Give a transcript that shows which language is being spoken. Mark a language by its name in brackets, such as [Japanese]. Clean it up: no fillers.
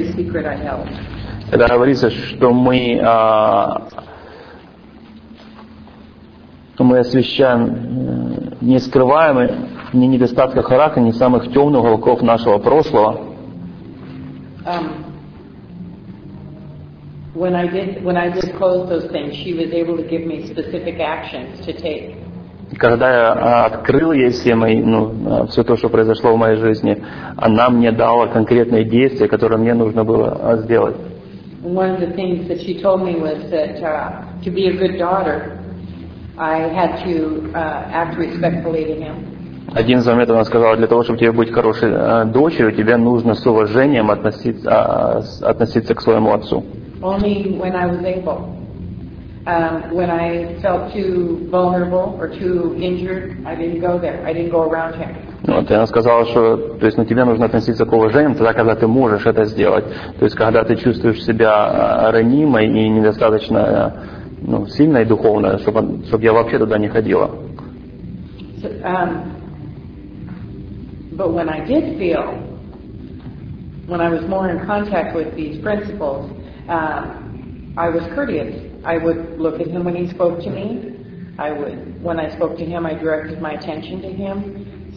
[Russian] Когда говорится, что мы освещаем нескрываемые, не недостатки характера, не самых темных уголков нашего прошлого. [English] When I did close those things, she was able to give me specific actions to take. [Russian] Когда я открыл ей все мои, все то, что произошло в моей жизни, она мне дала конкретные действия, которые мне нужно было сделать. [English] One of the things that she told me was that to be a good daughter, I had to act respectfully to him. [Russian] Один из моментов она сказала, для того, чтобы тебе быть хорошей дочерью, тебе нужно с уважением относиться к своему отцу. [English] Only when I was able. When I felt too vulnerable or too injured, I didn't go there. I didn't go around him. [Russian] Вот, она сказала, что то есть, на тебя нужно относиться к уважением тогда, когда ты можешь это сделать. То есть, когда ты чувствуешь себя ранимой и недостаточно сильной духовно, чтобы я вообще туда не ходила. [English] But when I did feel, when I was more in contact with these principles, I was courteous. I would look at him when he spoke to me. When I spoke to him, I directed my attention to him.